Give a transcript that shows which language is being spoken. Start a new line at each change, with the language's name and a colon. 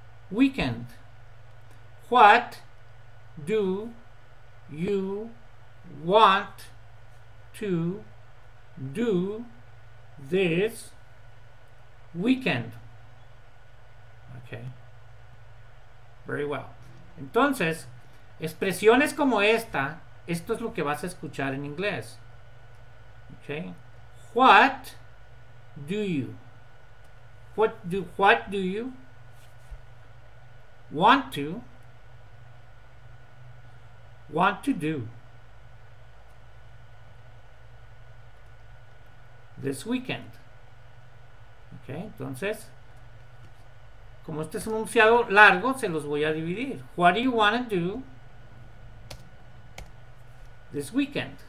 English: Weekend. What do you want to do this weekend? Okay. Very well.
Spanish: Entonces, expresiones como esta, esto es lo que vas a escuchar en inglés.
English: Okay. What do you? What do you want to do this weekend?
Spanish: Okay, entonces, como este es un enunciado largo, se los voy a dividir.
English: What do you want to do this weekend?